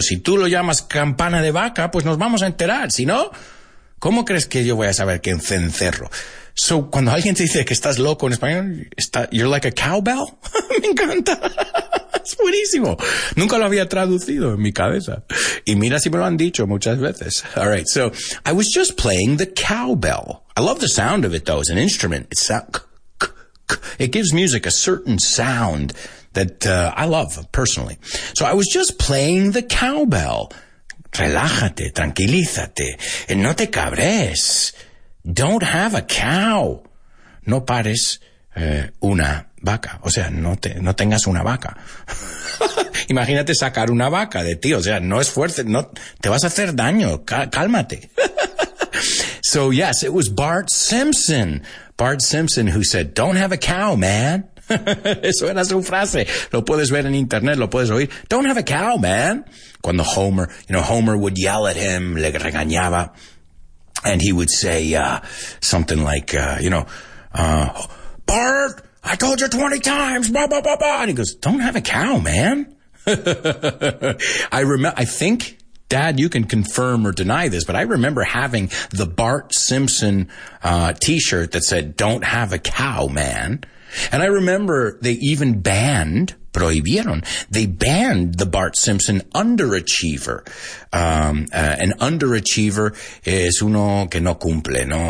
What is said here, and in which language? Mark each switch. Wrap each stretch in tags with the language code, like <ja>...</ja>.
<es>Si tú lo llamas campana de vaca, pues nos vamos a enterar. Si no, ¿cómo crees que yo voy a saber qué es cencerro? So, cuando alguien te dice que estás loco en español, you're like a cowbell? Me encanta. Es buenísimo. Nunca lo había traducido en mi cabeza. Y mira si me lo han dicho muchas veces.</es> <en>All right, so, I was just playing the cowbell. I love the sound of it, though, as an instrument. It's sound. It gives music a certain sound that I love, personally. So I was just playing the cowbell. Relájate, tranquilízate, y no te cabres. Don't have a cow. No pares una vaca.</en> <es>O sea, no tengas una vaca. Imagínate sacar una vaca de ti. O sea, no esfuerces, no te vas a hacer daño.</es> <en>Cálmate. So, yes, it was Bart Simpson. Bart Simpson, who said, don't have a cow, man.</en> <es>Eso era su frase. Lo puedes ver en internet, lo puedes oír.</es> <en>Don't have a cow, man. Cuando Homer, you know, Homer would yell at him, le regañaba. And he would say something like, Bart, I told you 20 times, blah, blah, blah, blah. And he goes, don't have a cow, man. I think Dad, you can confirm or deny this, but I remember having the Bart Simpson t-shirt that said, "Don't have a cow, man." And I remember they even banned, prohibieron, they banned the Bart Simpson underachiever.</en> <es>An underachiever es uno que no cumple, ¿no?</es>